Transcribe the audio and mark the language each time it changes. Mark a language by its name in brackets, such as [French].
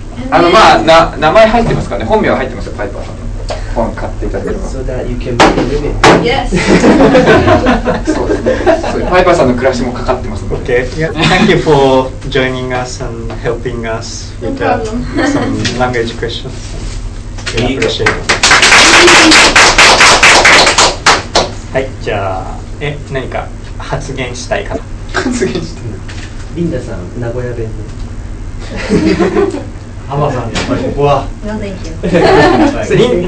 [Japanese] あのまあ、名前入ってますかね、本名は入ってますよ、パイパーさんの本買っていただければ。 [English] So that you can buy the limit. Yes! [Japanese] そうですね、パイパーさんの暮らしもかかってますので。 [English] Okay. Yeah. Thank you for joining us and helping us with some language questions. We appreciate it. [Japanese] はい、じゃあ、何か発言したいかな。発言したい。リンダさん、名古屋弁で。浜さん、やっぱりここは。 [English] No, thank you.